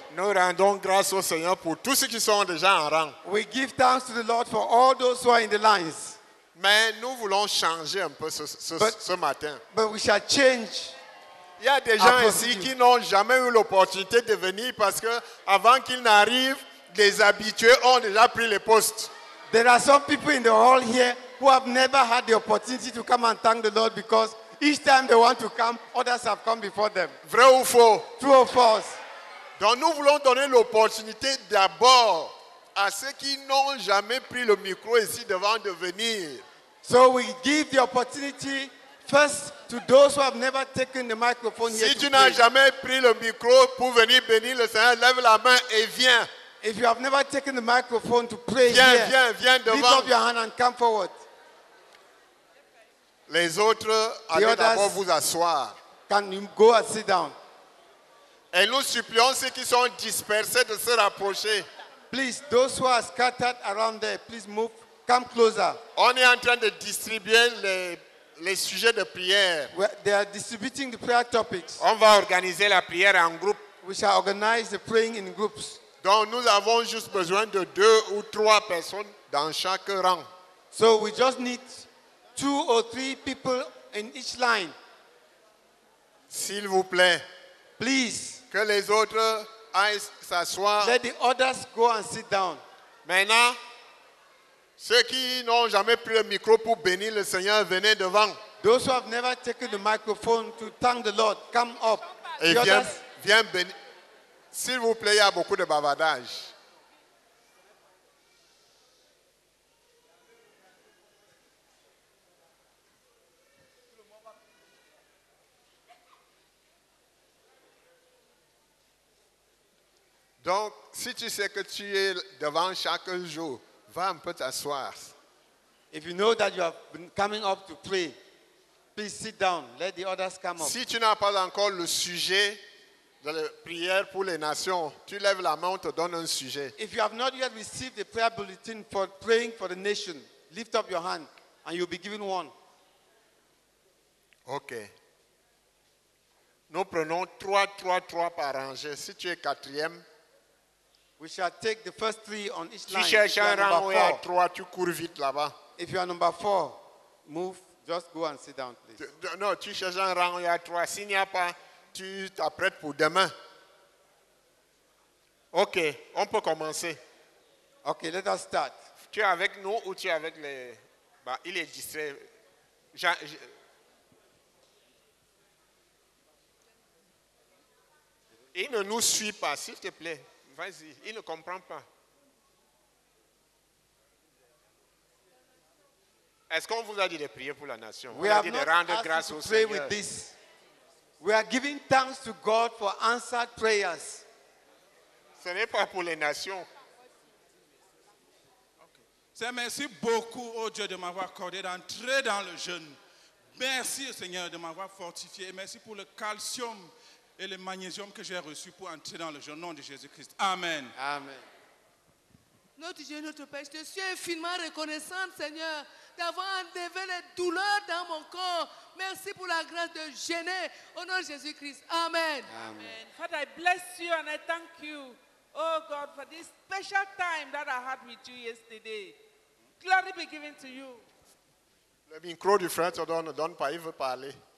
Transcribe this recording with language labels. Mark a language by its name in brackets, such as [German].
[French] Nous rendons grâce au Seigneur pour tous ceux qui sont déjà en rang. [English] We give thanks to the Lord for all those who are in the lines. [French] Mais nous voulons changer un peu ce matin. [English] But we shall change. [French] Il y a des gens ici qui n'ont jamais eu l'opportunité de venir parce que avant qu'ils n'arrivent, les habitués ont déjà pris les postes. [English] There are some people in the hall here who have never had the opportunity to come and thank the Lord because each time they want to come, others have come before them. [French] Vrai ou faux? [English] True or false? [French] Donc nous voulons donner l'opportunité d'abord à ceux qui n'ont jamais pris le micro ici devant de venir. [English] So we give the opportunity first to those who have never taken the microphone [French] si [English] here. [French] Si tu n'as jamais pris le micro pour venir bénir le Seigneur, lève la main et viens. [English] If you have never taken the microphone to pray [French] viens, [English] here, [French] viens devant. [English] Lift up your hand and come forward. [French] Les autres, allez d'abord vous asseoir. [English] Can you go and sit down? [French] Et nous supplions ceux qui sont dispersés de se rapprocher. [English] Please, those who are scattered around there, please move, come closer. [French] On est en train de distribuer les sujets de prière. [English] They are distributing the prayer topics. [French] On va organiser la prière en groupe. [English] We shall organize the praying in groups. [French] Donc nous avons juste besoin de deux ou trois personnes dans chaque rang. [English] So we just need two or three people in each line. [French] S'il vous plaît. [English] Please. [French] Que les autres aillent s'asseoir. [English] Let the others go and sit down. [French] Maintenant, ceux qui n'ont jamais pris le micro pour bénir le Seigneur, venez devant. [English] Those who have never taken the microphone to thank the Lord, come up. [French] Et [English] the [French] viens, viens bénir. S'il vous plaît, il y a beaucoup de bavardage. Donc, si tu sais que tu es devant chaque jour, va un peu t'asseoir. [English] If you know that you have been coming up to pray, please sit down. Let the others come up. [French] Si tu n'as pas encore le sujet de la prière pour les nations, tu lèves la main, on te donne un sujet. [English] If you have not yet received the prayer bulletin for praying for the nation, lift up your hand and you'll be given one. [French] Ok. Nous prenons 3 par rangée. Si tu es quatrième, [English] we shall take the first three on each [French] si [English] line. [French] Si tu cherches un rang où il y a 3, tu cours vite là-bas. [English] If you are number 4, move, just go and sit down, please. [French] Non, tu cherches un rang où il y a 3. S'il n'y a pas, tu t'apprêtes pour demain. Ok, on peut commencer. [English] Ok, let us start. [French] Tu es avec nous ou tu es avec les... Bah, il est distrait. Il ne nous suit pas, s'il te plaît. Vas-y, il ne comprend pas. Est-ce qu'on vous a dit de prier pour la nation? [English] We have not asked you to pray with this. We are giving thanks to God for answered prayers. [French] Ce n'est pas pour les nations. [English] Okay. [French] Seigneur, merci beaucoup, oh Dieu, de m'avoir accordé d'entrer dans le jeûne. Merci, Seigneur, de m'avoir fortifié. Merci pour le calcium et le magnésium que j'ai reçu pour entrer dans le jeûne. Au nom de Jésus-Christ. Amen. Amen. Notre Dieu, notre Père, je te suis infiniment reconnaissante, Seigneur, d'avoir enlevé les douleurs dans mon corps. Merci pour la grâce de jeûner. Au nom de Jésus-Christ. Amen. Amen. [English] Father, I bless you and I thank you, oh God, for this special time that I had with you yesterday. Glory be given to you. [French] Le micro du frère te donne, donne pas, il veut parler.